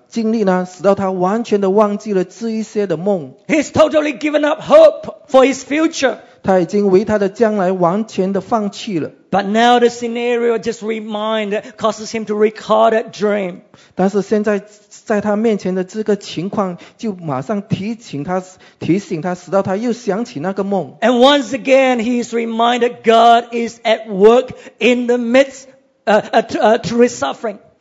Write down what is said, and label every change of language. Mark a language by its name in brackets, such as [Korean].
[Chinese] 因着他所经历的那些没有盼望的经历呢，使到他完全的忘记了这一些的梦。 [English] He's totally given up hope for his future. [Chinese] 他已经为他的将来完全的放弃了。 [English] But now the scenario just reminds, causes him to recall that dream. [Chinese] 但是现在在他面前的这个情况，就马上提醒他，使到他又想起那个梦。 [English] And once again, he is reminded God is at work in the midst, through his suffering.